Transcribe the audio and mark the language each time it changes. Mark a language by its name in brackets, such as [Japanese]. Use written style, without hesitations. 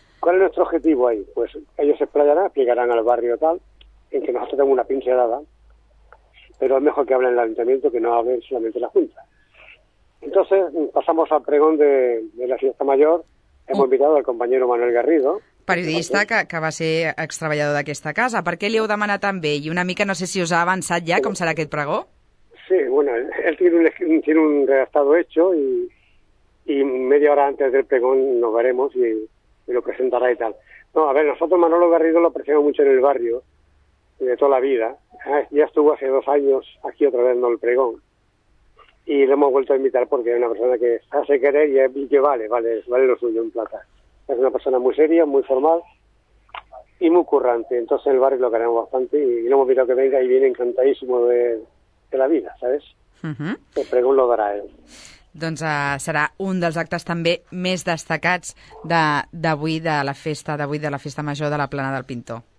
[Spanish] ¿Cuál es nuestro objetivo ahí? Pues ellos se explayarán, explicarán al barrio tal, en que nosotros tenemos una pincelada, pero es mejor que hablen el Ayuntamiento que no hablen solamente la Junta. Entonces, pasamos al pregón de la fiesta mayor. Hemos invitado al compañero Manuel Garrido. [Catalan] Periodista que va ser extraballador d'aquesta casa. Per què li heu demanat tan bé? I una mica no sé si us ha avançat ja com serà aquest pregó. [Spanish] Sí, bueno, él tiene un redactado hecho y media hora antes del pregón nos veremos y lo presentará y tal. No, a ver, nosotros Manolo Garrido lo apreciamos mucho en el barrio, de toda la vida. Ya estuvo hace 2 años aquí otra vez dando el pregón. Y lo hemos vuelto a invitar porque es una persona que hace querer y que vale lo suyo en plata. Es una persona muy seria, muy formal y muy currante. Entonces el barrio lo queremos bastante y lo hemos invitado que venga y viene encantadísimo de la vida, ¿sabes? Uh-huh. El pregón lo dará él. [Catalan] doncs serà un dels actes també més destacats d'avui, de la festa d'avui, de la festa major de la Plana del Pintor.